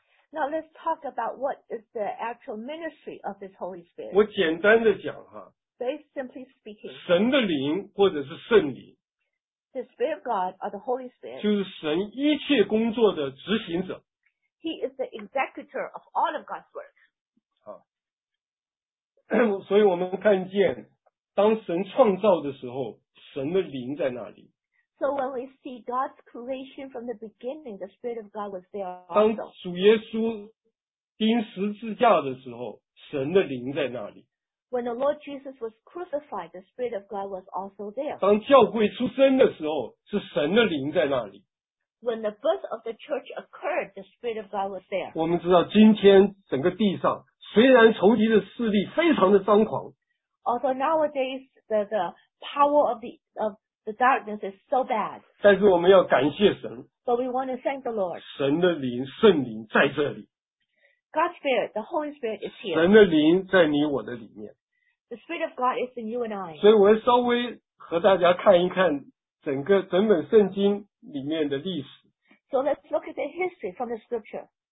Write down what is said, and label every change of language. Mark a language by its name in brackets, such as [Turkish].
[English] Now let's talk about what is the actual ministry of this Holy Spirit. [Chinese] 我简单的讲 [English] Very simply speaking. [Chinese] 神的灵或者是圣灵。 [English] The Spirit of God or the Holy Spirit. [Chinese] 就是神一切工作的执行者。 [English] He is the executor of all of God's work. [Chinese] 好。所以我们看见当神创造的时候神的灵在那里。 [English] So when we see God's creation from the beginning, the Spirit of God was there also. [Chinese] 当主耶稣钉十字架的时候，神的灵在那里。 [English] When the Lord Jesus was crucified, the Spirit of God was also there. [Chinese] 当教会出生的时候，是神的灵在那里。 [English] When the birth of the church occurred, the Spirit of God was there. [Chinese] 我们知道今天整个地上，虽然仇敌的势力非常的张狂。 [English] Although nowadays, the power of the darkness is so bad. [Chinese] 但是我们要感谢神。 [English] But we want to thank the Lord. [Chinese] 神的灵，圣灵在这里。 [English] God's Spirit, the Holy Spirit is here. [Chinese] 神的灵在你我的里面。 [English] The Spirit of God is in you and I. [Chinese] 所以我要稍微和大家看一看整本圣经里面的历史。 [English] So let's look at the history from the scripture.